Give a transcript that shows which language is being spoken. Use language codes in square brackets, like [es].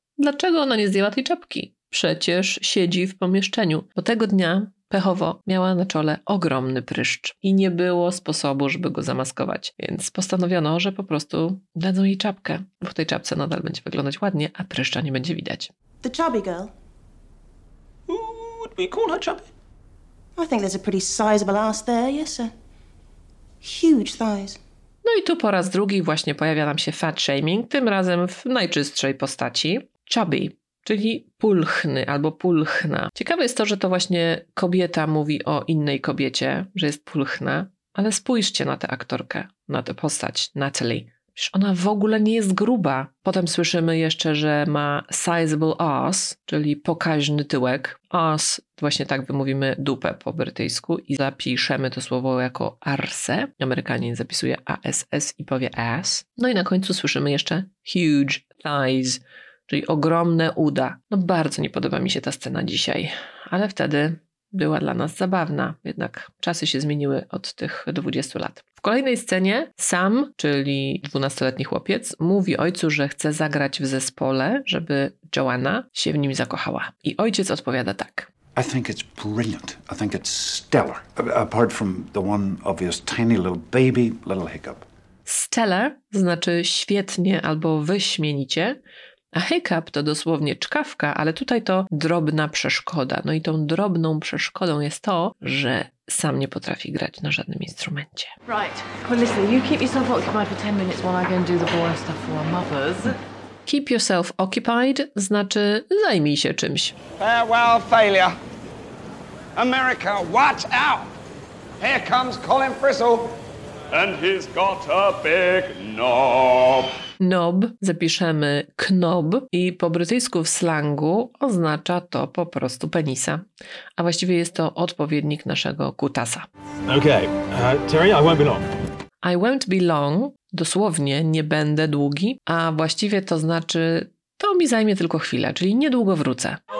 [pl] Dlaczego ona nie zdjęła tej czapki? Przecież siedzi w pomieszczeniu. Bo tego dnia, pechowo, miała na czole ogromny pryszcz i nie było sposobu, żeby go zamaskować. Więc postanowiono, że po prostu dadzą jej czapkę, bo w tej czapce nadal będzie wyglądać ładnie, a pryszcza nie będzie widać. [en] The chubby girl? Who would we call her chubby? I think there's a pretty sizable ass there, yes sir. Huge thighs. [pl] No i tu po raz drugi właśnie pojawia nam się fat shaming, tym razem w najczystszej postaci. Chubby, czyli pulchny albo pulchna. Ciekawe jest to, że to właśnie kobieta mówi o innej kobiecie, że jest pulchna, ale spójrzcie na tę aktorkę, na tę postać, Natalie. Przecież ona w ogóle nie jest gruba. Potem słyszymy jeszcze, że ma sizable ass, czyli pokaźny tyłek. Ass, właśnie tak wymówimy dupę po brytyjsku i zapiszemy to słowo jako arse. Amerykanin zapisuje ass i powie ass. No i na końcu słyszymy jeszcze huge thighs, czyli ogromne uda. No bardzo nie podoba mi się ta scena dzisiaj, ale wtedy była dla nas zabawna. Jednak czasy się zmieniły od tych 20 lat. W kolejnej scenie Sam, czyli 12-letni chłopiec, mówi ojcu, że chce zagrać w zespole, żeby Joanna się w nim zakochała. I ojciec odpowiada tak. [en] I think it's brilliant. I think it's stellar. Apart from the one obvious tiny little baby, little hiccup. [pl] Stellar znaczy świetnie albo wyśmienicie. A hiccup to dosłownie czkawka, ale tutaj to drobna przeszkoda. No i tą drobną przeszkodą jest to, że Sam nie potrafi grać na żadnym instrumencie. [en] Right. Well, listen, you keep yourself occupied for 10 minutes while I go and do the boring stuff for our mothers. Keep yourself occupied [pl] znaczy zajmij się czymś. [en] Farewell, failure. America, watch out! Here comes Colin Frissell. And he's got a big knob. [pl] Knob, zapiszemy knob i po brytyjsku w slangu oznacza to po prostu penisa. A właściwie jest to odpowiednik naszego kutasa. [en] Okay, Terry, I won't be long. I won't be long [pl] dosłownie nie będę długi, a właściwie to znaczy to mi zajmie tylko chwilę, czyli niedługo wrócę.